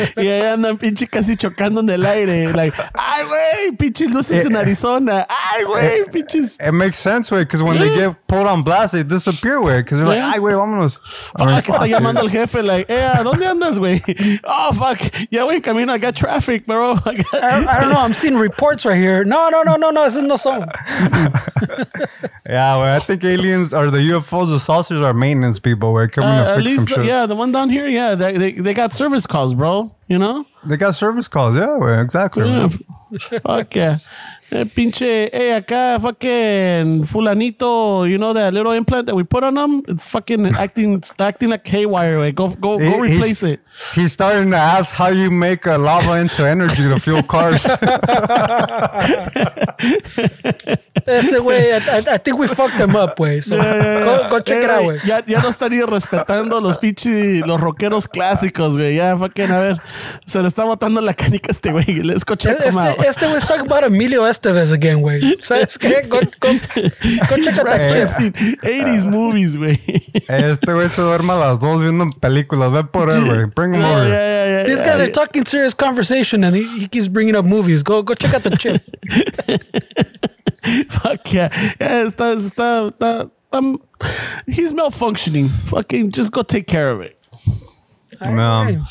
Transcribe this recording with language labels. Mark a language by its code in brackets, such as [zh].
[es] Y ahí andan pinche casi chocando en el aire. Like, ay, güey, pinches luces en Arizona. Ay, güey, pinches. [en] It makes sense, güey, because when they get pulled on blast, they disappear, güey. Because they're like, [es] ay, güey, vámonos. Fuck, que está llamando al jefe, like, ¿a dónde andas, güey? [en] Oh, fuck. Yeah, güey, camino, I got traffic, bro. I don't know, I'm seeing reports right here. No, this is no song. Yeah, well, I think aliens or the UFOs, the saucers are maintenance people. We're coming to fix some shit. Yeah, the one down here, yeah, they got service calls, bro. You know? They got service calls, yeah, exactly. Yeah. Fuck yeah. [es] Pinche, hey, acá, [en] fucking fulanito, you know that little implant that we put on him? It's fucking acting like haywire, way. Go replace it. He's starting to ask how you make a lava into energy to fuel cars. [es] Ese way, [en] I think we fucked them up, way. So go check it out, way. [es] Ya no estaría respetando los pinches, los rockeros clásicos, güey. Ya, fucking, a ver, se le está botando la canica a este güey. [en] Let's go check him out. [es] Este güey está [en] about Emilio Estevez again, [es] güey. ¿Sabes qué? [en] Go check out that shit. 80s movies, güey. [es] Este güey se duerma a las dos viendo películas. Ve por él, güey. [en] Bring him over. Yeah. These guys are talking serious conversation and he keeps bringing up movies. Go check out the chip. Fuck yeah. Yeah, [es] está, [en] he's malfunctioning. Fucking just go take care of it. No.